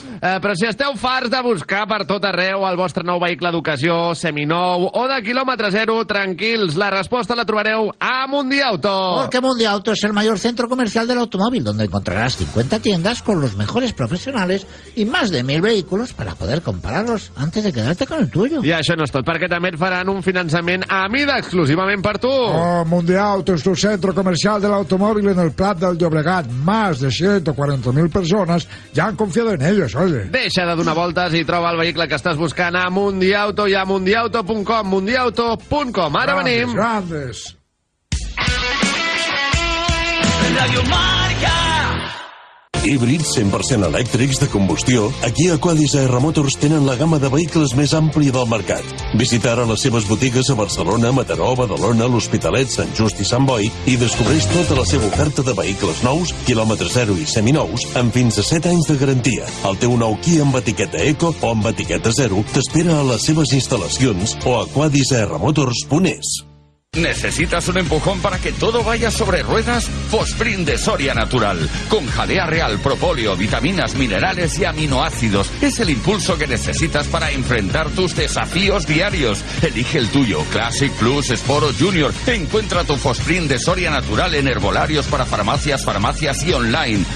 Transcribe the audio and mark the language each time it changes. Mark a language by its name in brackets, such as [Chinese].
[Catalan] Però si esteu farts de buscar per tot arreu el vostre nou vehicle d'ocasió, seminou o de quilòmetre zero, tranquils, la resposta la trobareu a Mundiauto. [Spanish] Porque Mundiauto es el mayor centro comercial del automóvil, donde encontrarás 50 tiendas con los mejores profesionales y más de 1.000 vehículos para poder compararlos antes de quedarte con el tuyo. [Catalan] I això no és tot, perquè també et faran un finançament a mida exclusivament per tu. [Spanish] Oh, Mundiauto es tu centro comercial del automóvil en el Prat del Llobregat. Más de [Catalan] 140.000 persones ja han confiat en ells, oi? Deixa de donar voltes i troba el vehicle que estàs buscant a Mundiauto i a mundiauto.com. Mundiauto.com. Ara grandes, venim. Grandes. Radio Marca. Híbrids 100% elèctrics de combustió, aquí a Aquadis AR Motors tenen la gamma de vehicles més àmplia del mercat. Visita ara les seves botigues a Barcelona, Mataró, Badalona, l'Hospitalet, Sant Just i Sant Boi i descobreix tota la seva oferta de vehicles nous, quilòmetre zero i seminous, amb fins a 7 anys de garantia. El teu nou Kia amb etiqueta Eco o amb etiqueta Zero t'espera a les seves instal·lacions o a aquadisarmotors.es. [Spanish] ¿Necesitas un empujón para que todo vaya sobre ruedas? Fosprin de Soria Natural, con jalea real, propóleo, vitaminas, minerales y aminoácidos. Es el impulso que necesitas para enfrentar tus desafíos diarios. Elige el tuyo, Classic, Plus, Sport o Junior. Encuentra tu Fosprin de Soria Natural en herbolarios, para farmacias, farmacias y online.